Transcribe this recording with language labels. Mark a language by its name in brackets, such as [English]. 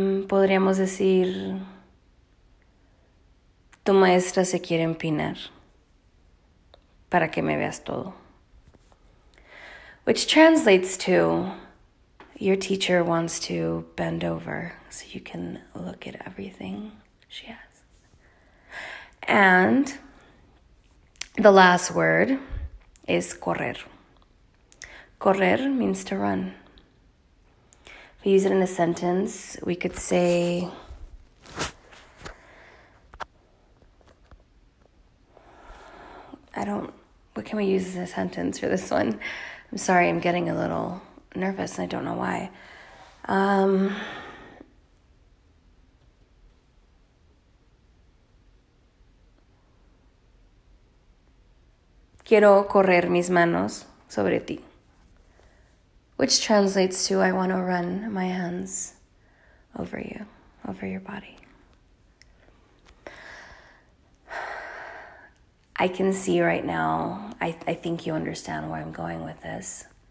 [Spanish] podríamos decir, tu maestra se quiere empinar para que me veas todo. [English] Which translates to, your teacher wants to bend over so you can look at everything she has. And the last word is correr. Correr means to run. If we use it in a sentence, we could say, what can we use as a sentence for this one? I'm sorry, I'm getting a little nervous and I don't know why. [Spanish] Quiero correr mis manos sobre ti. [English] Which translates to, I want to run my hands over you, over your body. I can see right now, I think you understand where I'm going with this.